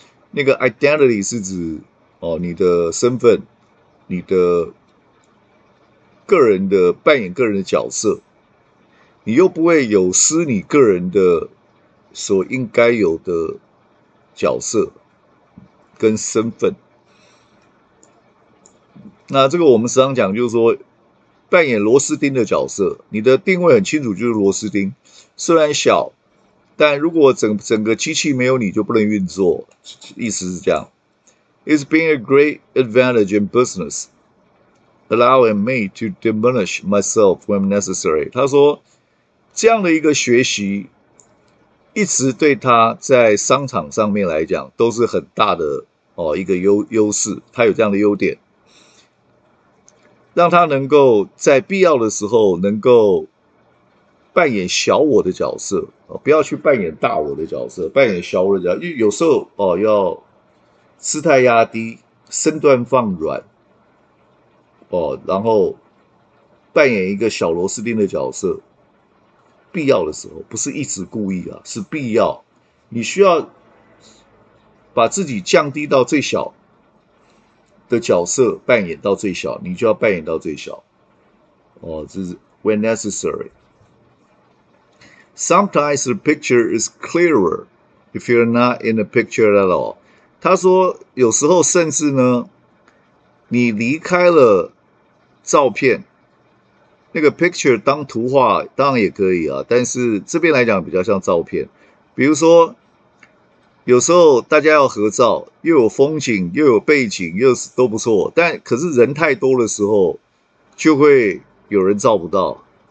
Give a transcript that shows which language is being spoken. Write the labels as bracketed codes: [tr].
[zh] 那个 identity 是指你的身份，你的个人的扮演个人的角色，你又不会有失你个人的所应该有的角色跟身份。那这个我们时常讲，就是说扮演螺丝钉的角色，你的定位很清楚，就是螺丝钉，虽然小，但如果整个机器没有你就不能运作，意思是这样。 [en] It's been a great advantage in business, allowing me to diminish myself when necessary. [zh] 他说这样的一个学习一直对他在商场上面来讲都是很大的一个优势，他有这样的优点，让他能够在必要的时候能够扮演小我的角色，不要去扮演大我的角色，扮演小我的角色，因为有时候要姿态压低，身段放软然后扮演一个小螺丝钉的角色，必要的时候，不是一直故意啊，是必要，你需要把自己降低到最小的角色，扮演到最小，你就要扮演到最小。这是 [en] when necessary. Sometimes the picture is clearer if you're not in the picture at all. [zh] 他说，有时候甚至呢，你离开了照片，那个 picture 当图画当然也可以啊，但是这边来讲比较像照片。比如说，有时候大家要合照，又有风景，又有背景，又是都不错，但可是人太多的时候就会有人照不到。